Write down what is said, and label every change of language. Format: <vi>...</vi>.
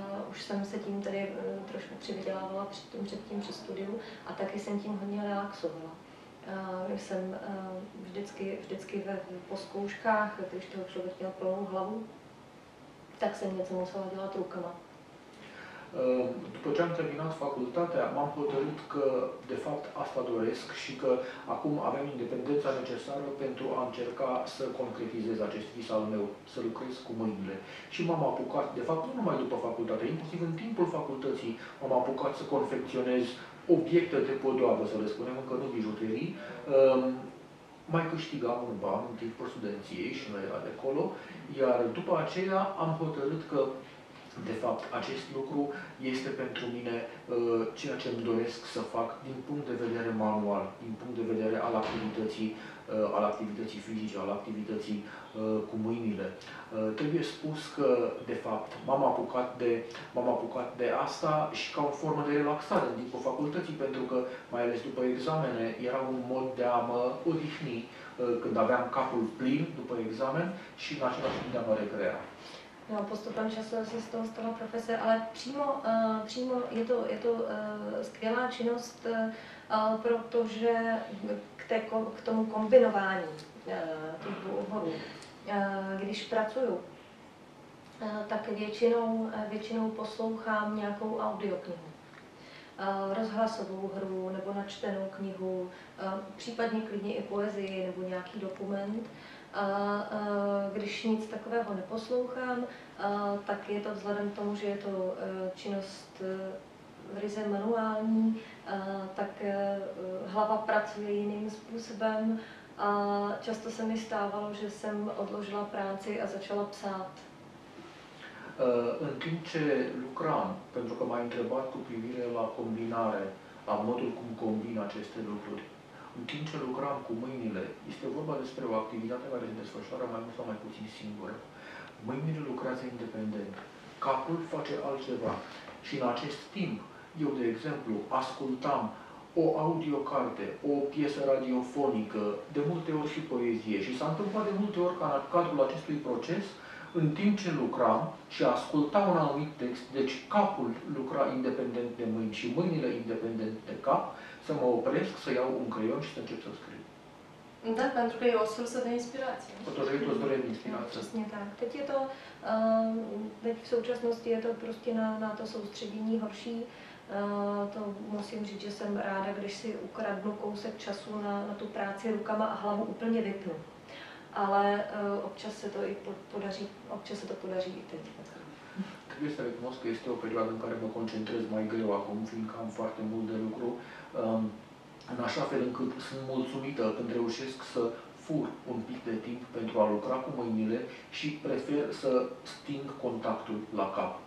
<cs>Už jsem se tím tady trošku přivydělávala předtím při studiu a taky jsem tím hodně relaxovala. Jsem vždycky po zkouškách, když toho člověk měl plnou hlavu, tak jsem něco musela dělat rukama.</cs> <ro>După ce am terminat facultatea, m-am hotărât că de fapt asta doresc și că acum avem independența necesară pentru a încerca să concretizez acest vis al meu, să lucrez cu mâinile. Și m-am apucat, de fapt nu numai după facultate, inclusiv în timpul facultății, m-am apucat să confecționez obiecte de podoabă, să le spunem, încă nu bijuterii. Mai câștigam un ban în timpul studenției și nu era de acolo, iar după aceea am hotărât că de fapt, acest lucru este pentru mine ceea ce îmi doresc să fac din punct de vedere manual, din punct de vedere al activității, al activității fizice, al activității cu mâinile. Trebuie spus că, de fapt, m-am apucat de asta și ca o formă de relaxare din timpul facultății, pentru că, mai ales după examene, era un mod de a mă odihni când aveam capul plin după examen și în același timp de a mă recrea.</ro> <cs>No, postupem času se z toho stala profese, ale přímo je to skvělá činnost, protože k tomu kombinování těch dvou oborů. Když pracuju, tak většinou poslouchám nějakou audioknihu, rozhlasovou hru nebo načtenou knihu, případně klidně i poezii nebo nějaký dokument. A když nic takového neposlouchám, tak je to vzhledem k tomu, že je to činnost v ryze manuální, tak hlava pracuje jiným způsobem. A často se mi stávalo, že jsem odložila práci a začala psát.</cs> <ro>În timp ce lucram, pentru că m-a întrebat cu privire la combinare, la modul cum combin aceste lucruri, în timp ce lucram cu mâinile, este vorba despre o activitate care se desfășoară mai mult sau mai puțin singură. Mâinile lucrează independent, capul face altceva. Și în acest timp, eu, de exemplu, ascultam o audiocarte, o piesă radiofonică, de multe ori și poezie. Și s-a întâmplat de multe ori ca în cadrul acestui proces, în timp ce lucram și ascultam un anumit text, deci capul lucra independent de mâini și mâinile independent de cap, să mă opresc, să iau un creion și să încep să scriu. Da, pentru că e o sursă de inspirație. Potrivit, o sursă de inspirație.</ro> <cs>Přesně tak. Teď je to, teď v současnosti je to prostě na to soustředění horší. To musím říct, že jsem ráda, když si ukradnu kousek času na tu práci rukama a hlavu úplně vypnu. Ale občas se to i podaří, občas se to podaří i teď.</cs> <ro>Trebuie să recunosc că este o perioadă în care mă concentrez mai greu acum, fiindcă am foarte mult de lucru, în așa fel încât sunt mulțumită când reușesc să fur un pic de timp pentru a lucra cu mâinile și prefer să sting contactul la cap.</ro>